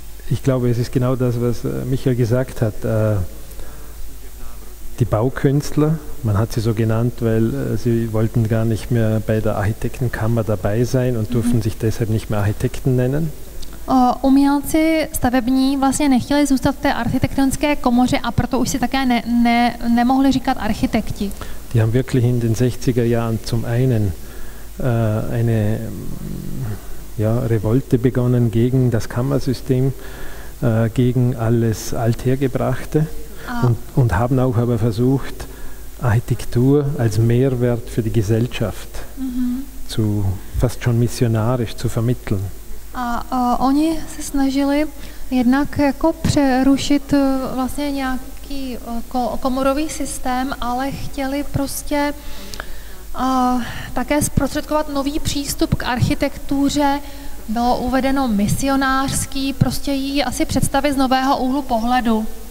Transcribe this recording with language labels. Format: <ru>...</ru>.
<de>Ich glaube, es ist genau das, was Michael gesagt hat. Die Baukünstler, man hat sie so genannt, weil sie wollten gar nicht mehr bei der Architektenkammer dabei sein und durften sich deshalb nicht mehr Architekten nennen.</de> <cs>Umělci stavební vlastně nechtěli zůstat v té architektonické komoře a proto už si také nemohli říkat architekti.</cs> <de>Die haben wirklich in den 60er Jahren zum einen eine Revolte begonnen gegen das Kammersystem, gegen alles Althergebrachte. Und haben auch aber versucht, Architektur als Mehrwert für die Gesellschaft zu fast schon missionarisch zu vermitteln.</de> <cs>Oni se snažili jednak jako přerušit vlastně nějaký komorový systém, ale chtěli prostě také zprostředkovat nový přístup k architektuře. Bylo uvedeno misionářský, prostě jí asi představit z nového úhlu pohledu.</cs>